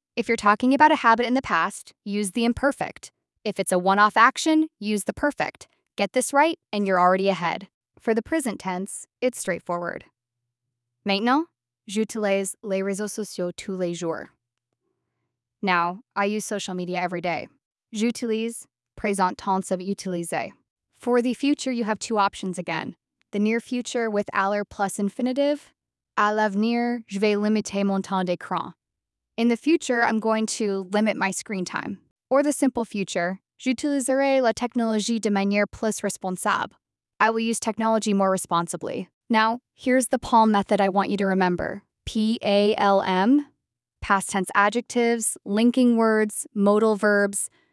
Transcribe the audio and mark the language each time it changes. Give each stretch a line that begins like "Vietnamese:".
English: If you're talking about a habit in the past, use the imperfect. If it's a one-off action, use the perfect. Get this right, and you're already ahead. For the present tense, it's straightforward.
French: Maintenant, j'utilise les réseaux sociaux tous les jours.
English: Now, I use social media every day. J'utilise, présent tense of utiliser. For the future, you have two options again. The near future with aller plus infinitive.
French: À l'avenir, je vais limiter mon temps d'écran.
English: In the future, I'm going to limit my screen time. Or the simple future,
French: j'utiliserai la technologie de manière plus responsable.
English: I will use technology more responsibly. Now, here's the PALM method I want you to remember. P-A-L-M, past tense adjectives, linking words, modal verbs.